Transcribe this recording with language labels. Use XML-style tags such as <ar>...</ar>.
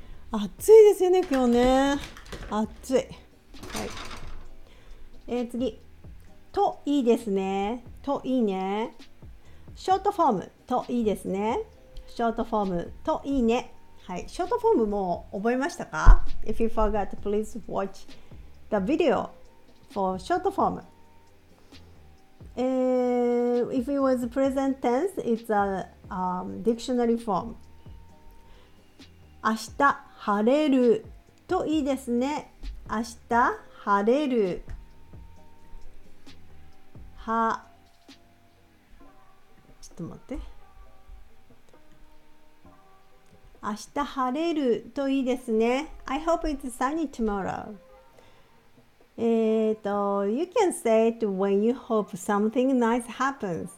<ja>暑いですよね、今日ね。暑い。はい。次。といいですね。といいね。ショートフォーム。といいですね。ショートフォーム。といいね。はい。ショートフォームも覚えましたか?</ja> <en>If you forgot, please watch the video for short form. If it was present tense, it's a dictionary form.</en> <ja>明日晴れるといいですね。明日晴れる。は。ちょっと待って。明日晴れるといいですね。</ja> <en>I hope it's sunny tomorrow. You can say it when you hope something nice happens.</en>